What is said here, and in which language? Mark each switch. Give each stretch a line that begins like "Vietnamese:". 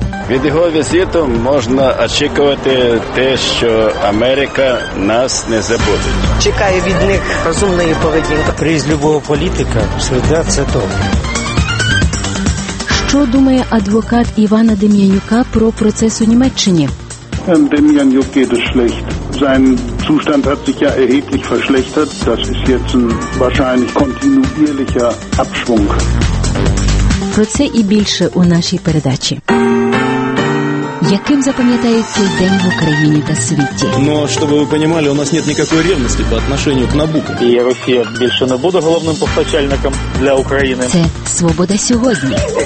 Ukrainian: Від його візиту можна очікувати те, що Америка нас не забуде. Чекаю від них розумної поведінки. Приїзд любого політика завжди це добре. Що думає адвокат Івана Дем'янюка про процес у Німеччині?
German: Дем'янюк geht es schlecht. Sein Zustand hat sich ja erheblich verschlechtert. Das ist jetzt ein wahrscheinlich kontinuierlicher Abschwung.
Ukrainian: Про це і більше у нашій передачі. Яким запам'ятається день в Україні та світі? Ну, щоб ви розуміли,
Russian: у нас нет никакой ревности по отношению к Набуку.
Ukrainian: І Росія більше не буде головним постачальником для України. Це «Свобода сьогодні».